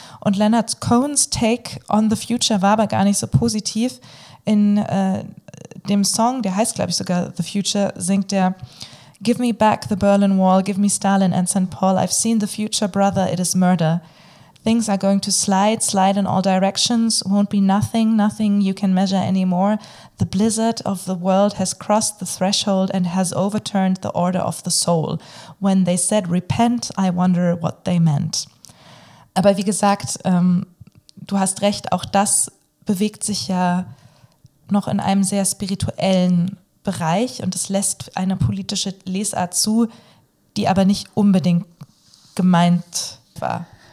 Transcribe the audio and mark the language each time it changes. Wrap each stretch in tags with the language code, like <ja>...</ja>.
<de>Und Leonard Cohens</de> <en>Take on the Future</en> <de>war aber gar nicht so positiv. In dem Song, der heißt glaube ich sogar The Future, singt er:</de> <en>Give me back the Berlin Wall, give me Stalin and St. Paul. I've seen the future, brother, it is murder. Things are going to slide in all directions. Won't be nothing you can measure anymore. The blizzard of the world has crossed the threshold and has overturned the order of the soul. When they said repent, I wonder what they meant.</en> <de>Aber wie gesagt, du hast recht, auch das bewegt sich ja noch in einem sehr spirituellen Bereich und es lässt eine politische Lesart zu, die aber nicht unbedingt gemeint war.</de>